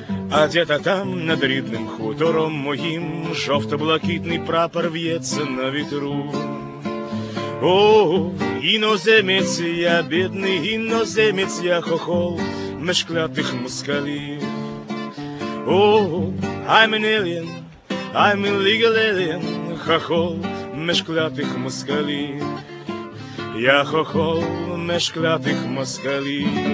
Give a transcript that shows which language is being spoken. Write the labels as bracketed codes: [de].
[uk] А де-то там, над рідним хутором моїм, жовто-блакитний прапор в'ється на вітру. О, іноземець я, бідний іноземець я, хохол меж клятих москалів. [en] О, I'm an alien, I'm illegal alien, [uk] хохол меж клятих москалів. Я хохол меж клятих москалів.